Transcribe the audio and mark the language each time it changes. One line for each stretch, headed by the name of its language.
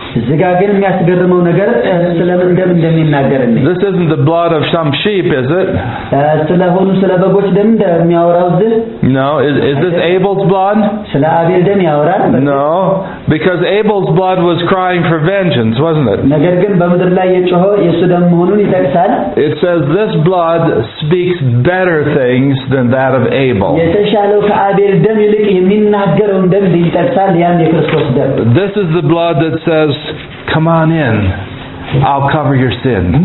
Amharic: ዝጋገን የሚያስገርመው ነገር ስለምን ደም እንደሚናገርልኝ
English: This isn't the blood of some sheep, is it?
Amharic: ስለሆኑ ስለበጎች ደም እንደሚያወራው ዝ
English: No, is this Abel's blood?
Amharic: ስለ አቤል ደም ያወራል?
English: No, because Abel's blood was crying for vengeance, wasn't it?
Amharic: ነገር ግን በምድር ላይ የጮኸ የሱ ደም መሆኑን ይጠቅሳል።
English: It says this blood speaks better things than that of Abel.
Amharic: የተሻለው ከአቤል ደም ይልቅ የሚናገረው ደም ይጠቅሳል ያን የክርስቶስ ደም።
English: This is the blood that says Come on in. I'll cover your sin.